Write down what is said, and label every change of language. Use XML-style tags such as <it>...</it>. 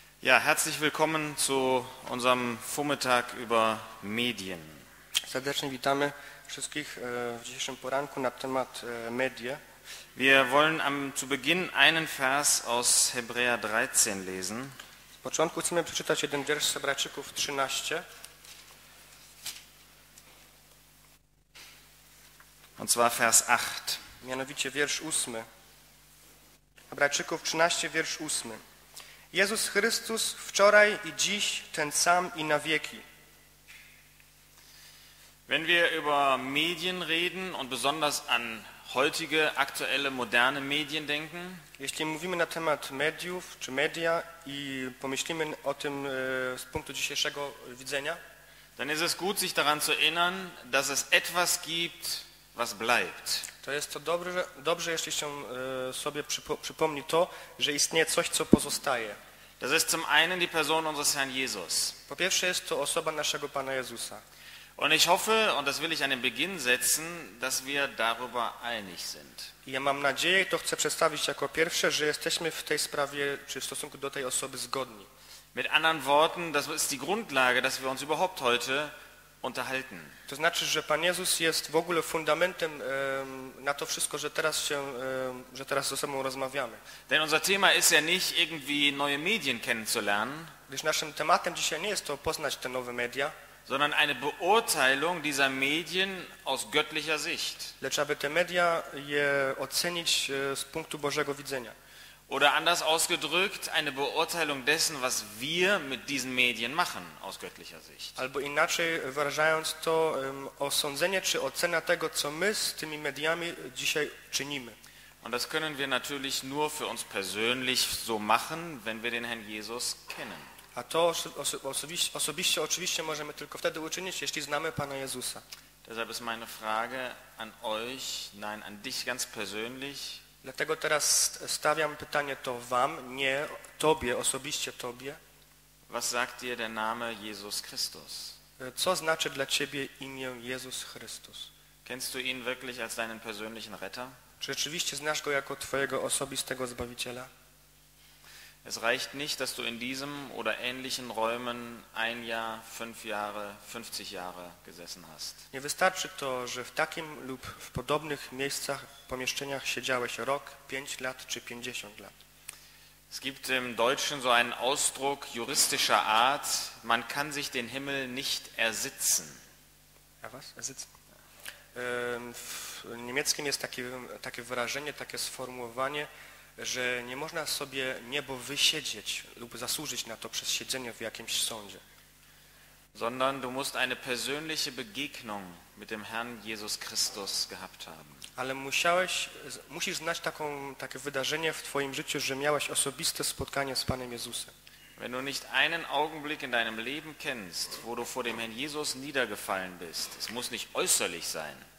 <de>Ja, herzlich willkommen zu unserem Vormittag über Medien.</de> <pl>Serdecznie witamy wszystkich w dzisiejszym poranku na temat media.</pl> <de>Wir wollen zu Beginn einen Vers aus Hebräer 13 lesen.</de> <pl>Z początku chcemy przeczytać jeden wiersz z Hebrajczyków 13.</pl> <de>Und zwar Vers 8.</de> <pl>Mianowicie wiersz 8. Hebrajczyków 13, wiersz 8. Jezus Chrystus wczoraj i dziś ten sam i na wieki.</pl> <de>Wenn wir über Medien reden und besonders an heutige, aktuelle, moderne Medien denken,</de> <pl>jeśli mówimy na temat mediów czy media i pomyślimy o tym z punktu dzisiejszego widzenia,</pl> <de>dann ist es gut, sich daran zu erinnern, dass es etwas gibt, was bleibt.</de> <pl>To jest to dobrze, jeśli się sobie przypomni to, że istnieje coś, co pozostaje.</pl> <de>Das ist zum einen die Person unseres Herrn Jesus.</de> <pl>Po pierwsze jest to osoba naszego Pana Jezusa.</pl> <de>Und ich hoffe, und das will ich an den Beginn setzen, dass wir darüber einig sind.</de> <pl>Ja mam nadzieję, to chcę przedstawić jako pierwsze, że jesteśmy w tej sprawie, czy w stosunku do tej osoby zgodni.</pl> <de>Mit anderen Worten, das ist die Grundlage, dass wir uns überhaupt heute unterhalten.</de> <pl>To znaczy, że Pan Jezus jest w ogóle fundamentem na to wszystko, że teraz się, że teraz ze sobą rozmawiamy.</pl> <de>Denn unser Thema ist ja nicht irgendwie neue Medien kennenzulernen.</de> <pl>Gdyż naszym tematem dzisiaj nie jest to poznać te nowe media,</pl> <de>sondern eine Beurteilung dieser Medien aus göttlicher Sicht.</de> <pl>Lecz aby te media je ocenić z punktu Bożego widzenia.</pl> <de>Oder anders ausgedrückt, eine Beurteilung dessen, was wir mit diesen Medien machen, aus göttlicher Sicht.</de> <pl>Albo inaczej wyrażając to, osądzenie czy ocena tego, co my z tymi mediami dzisiaj czynimy.</pl> <de>Und das können wir natürlich nur für uns persönlich so machen, wenn wir den Herrn Jesus kennen.</de> <pl>A to osobiście oczywiście możemy tylko wtedy uczynić, jeśli znamy Pana Jezusa.</pl> <de>Deshalb ist meine Frage an euch, nein, an dich ganz persönlich.</de> <pl>Dlatego teraz stawiam pytanie to wam, nie tobie, osobiście tobie.</pl> <de>Was sagt dir der Name Jesus Christus?</de> <pl>Co znaczy dla ciebie imię Jezus Chrystus?</pl> <de>Kennst du ihn wirklich als deinen persönlichen Retter?</de> <pl>Czy rzeczywiście znasz go jako twojego osobistego Zbawiciela?</pl> <de>Es reicht nicht, dass du in diesem oder ähnlichen Räumen ein Jahr, fünf Jahre, 50 Jahre gesessen hast.</de> <pl>Nie wystarczy to, że w takim lub w podobnych miejscach, pomieszczeniach siedziałeś rok, 5 lat czy 50 lat.</pl> <de>Es gibt im Deutschen so einen Ausdruck juristischer Art, man kann sich den Himmel nicht ersitzen. Ja, was? Ersitzen?</de> <pl>W niemieckim jest takie wyrażenie, takie sformułowanie, że nie można sobie niebo wysiedzieć lub zasłużyć na to przez siedzenie w jakimś sądzie.</pl> <de>Sondern du musst eine persönliche Begegnung mit dem Herrn Jesus Christus gehabt haben.</de> <pl>Ale musisz znać takie wydarzenie w twoim życiu, że miałeś osobiste spotkanie z Panem Jezusem.</pl> <de>Wenn du nicht einen Augenblick in deinem Leben kennst, wo du vor dem Herrn Jesus niedergefallen bist, es muss nicht äußerlich sein.</de>